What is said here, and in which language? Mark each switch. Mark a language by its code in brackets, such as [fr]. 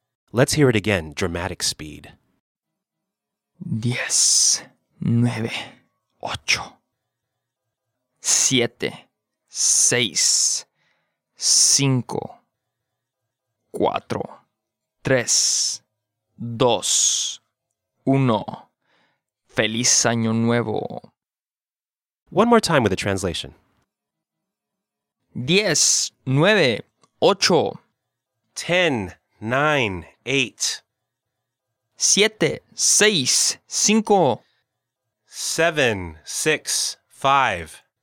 [en] Let's hear it again, dramatic speed. [es] Diez, nueve, ocho, siete, seis, cinco, cuatro, tres, dos, uno. ¡Feliz Año Nuevo! [en] One more time with a translation. [es] Diez, nueve, ocho. [en] Ten, nine, eight. [es] Siete, seis, cinco. [en] Seven, six, five.